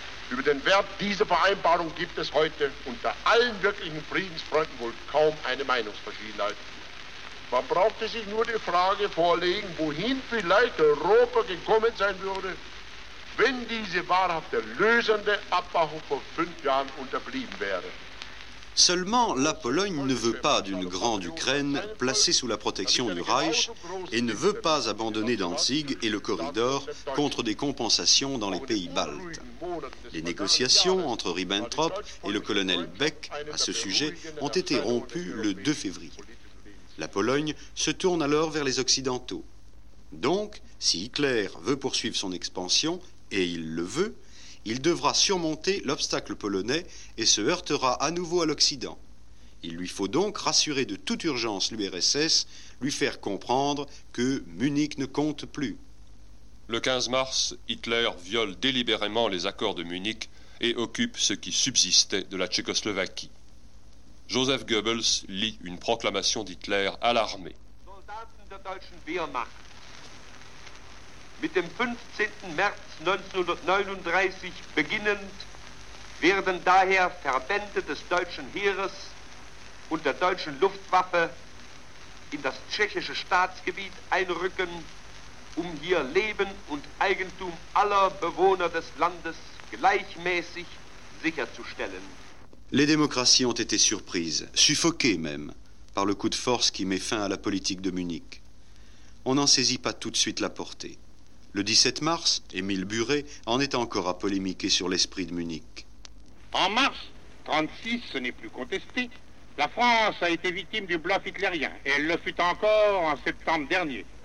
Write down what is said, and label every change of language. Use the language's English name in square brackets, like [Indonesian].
[German] Über den Wert dieser Vereinbarung gibt es heute unter allen wirklichen Friedensfreunden wohl kaum eine Meinungsverschiedenheit. Man brauchte sich nur die Frage vorlegen, wohin vielleicht Europa gekommen sein würde, wenn diese wahrhafte lösende Abmachung vor fünf Jahren unterblieben wäre. [French] Seulement, la Pologne ne veut pas d'une grande Ukraine placée sous la protection du Reich et ne veut pas abandonner Danzig et le corridor contre des compensations dans les pays baltes. Les négociations entre Ribbentrop et le colonel Beck à ce sujet ont été rompues le 2 février. La Pologne se tourne alors vers les Occidentaux. Donc, si Hitler veut poursuivre son expansion, et il le veut, il devra surmonter l'obstacle polonais et se heurtera à nouveau à l'Occident. Il lui faut donc rassurer de toute urgence l'URSS, lui faire comprendre que Munich ne compte plus. Le 15 mars, Hitler viole délibérément les accords de Munich et occupe ce qui subsistait de la Tchécoslovaquie. Joseph Goebbels lit une proclamation d'Hitler à l'armée. [German] Soldaten der deutschen Wehrmacht. Mit dem 15. März 1939 beginnend werden daher Verbände des deutschen Heeres und der deutschen Luftwaffe in das tschechische Staatsgebiet einrücken, um hier Leben und Eigentum aller Bewohner des Landes gleichmäßig sicherzustellen. [French] Les démocraties ont été surprises, suffoquées même, par le coup de force qui met fin à la politique de Munich. On n'en saisit pas tout de suite la portée. Le 17 mars, Émile Buré en est encore à polémiquer sur l'esprit de Munich. En mars 36, ce n'est plus contesté, la France a été victime du bluff hitlérien, et elle le fut encore en septembre dernier.